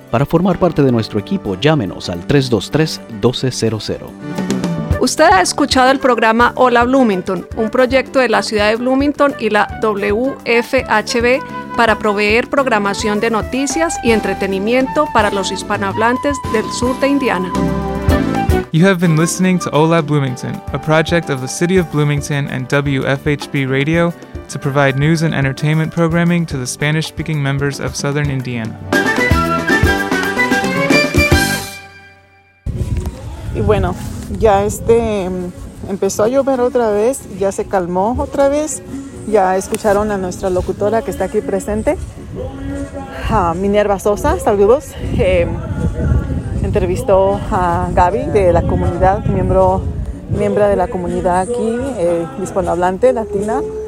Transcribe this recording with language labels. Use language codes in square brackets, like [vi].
[es] Para formar parte de nuestro equipo, llámenos al 323-1200. Usted ha escuchado el programa Hola Bloomington, un proyecto de la ciudad de Bloomington y la WFHB para proveer programación de noticias y entretenimiento para los hispanohablantes del sur de Indiana. [en] You have been listening to Hola Bloomington, a project of the City of Bloomington and WFHB Radio, to provide news and entertainment programming to the Spanish-speaking members of Southern Indiana. [es] Y bueno, ya empezó a llover otra vez, ya se calmó otra vez, ya escucharon a nuestra locutora que está aquí presente, a Minerva Sosa, saludos, entrevistó a Gaby de la comunidad, miembro de la comunidad aquí, hispanohablante latina.